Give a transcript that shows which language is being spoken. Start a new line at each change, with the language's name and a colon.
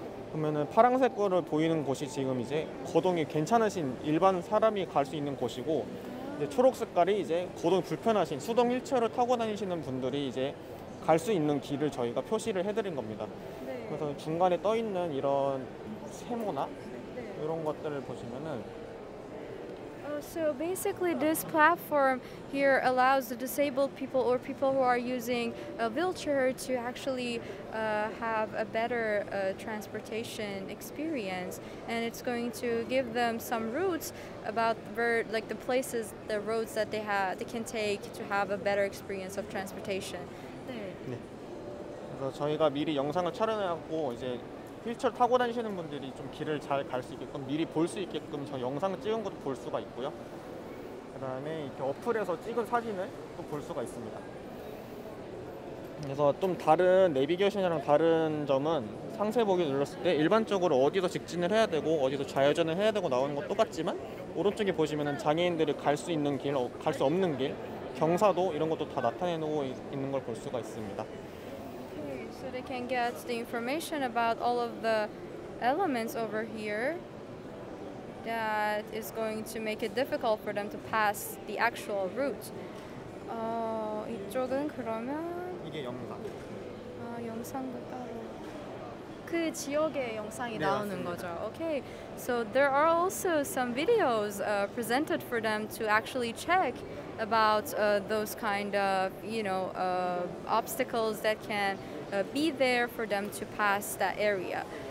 Korean: 그러면은 파란색 거를 보이는 곳이 지금 이제 거동이 괜찮으신 일반 사람이 갈 수 있는 곳이고, 이제 초록색깔이 이제 거동 불편하신 수동 휠체어를 타고 다니시는 분들이 이제 갈 수 있는 길을 저희가 표시를 해드린 겁니다. 그래서 중간에 떠 있는 이런 세모나 이런 것들을 보시면은.
English: So basically this platform here allows the disabled people or people who are using a wheelchair to actually have a better transportation experience, and it's going to give them some routes about where, like the places, the roads that they have, they can take to have a better experience of transportation.
Korean: 네. 그래서 저희가 미리 영상을 촬영하고 이제 휠체어 타고 다니시는 분들이 좀 길을 잘 갈 수 있게끔 미리 볼 수 있게끔 저 영상을 찍은 것도 볼 수가 있고요. 그다음에 이렇게 어플에서 찍은 사진을 또 볼 수가 있습니다. 그래서 좀 다른 내비게이션이랑 다른 점은 상세 보기 눌렀을 때 일반적으로 어디서 직진을 해야 되고 어디서 좌회전을 해야 되고 나오는 것 똑같지만, 오른쪽에 보시면은 장애인들이 갈 수 있는 길, 갈 수 없는 길, 경사도 이런 것도 다 나타내놓고 있는 걸 볼 수가 있습니다.
English: So they can get the information about all of the elements over here that is going to make it difficult for them to pass the actual route.
Korean: 이쪽은 그러면 이게 영상. 아, 영상도 따로 그 지역의 영상이 네, 나오는 맞습니다. 거죠. Okay.
English: So there are also some videos presented for them to actually check about those kind of, you know, obstacles that can be there for them to pass that area.